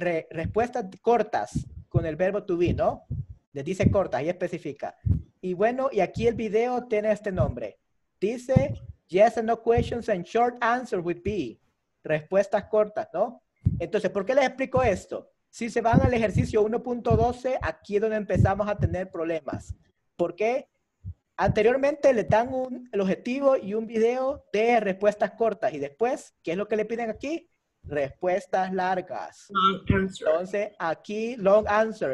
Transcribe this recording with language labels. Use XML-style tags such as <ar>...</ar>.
<es>Respuestas cortas con el verbo to be, ¿no? Le dice corta, ahí especifica. Y bueno, y aquí el video tiene este nombre. Dice,</es> <en>yes and no questions and short answers with be.</en> <es>Respuestas cortas, ¿no? Entonces, ¿por qué les explico esto? Si se van al ejercicio 1.12, aquí es donde empezamos a tener problemas. ¿Por qué? Anteriormente le dan el objetivo y un video de respuestas cortas. Y después, ¿qué es lo que le piden aquí? Respuestas largas. Entonces, aquí,</es> <en>long answer.</en>